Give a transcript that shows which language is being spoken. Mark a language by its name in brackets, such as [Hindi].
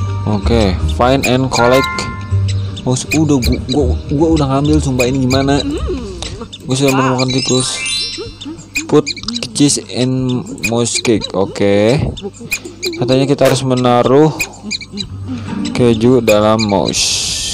[English] Oke, okay, find and collect. [Indonesian] Mouse, udah gua udah ngambil, sumpah ini gimana? Gua sudah menemukan tikus. [English] Put cheese in mouse cake. Oke. Okay. [Indonesian] Katanya kita harus menaruh keju dalam mouse.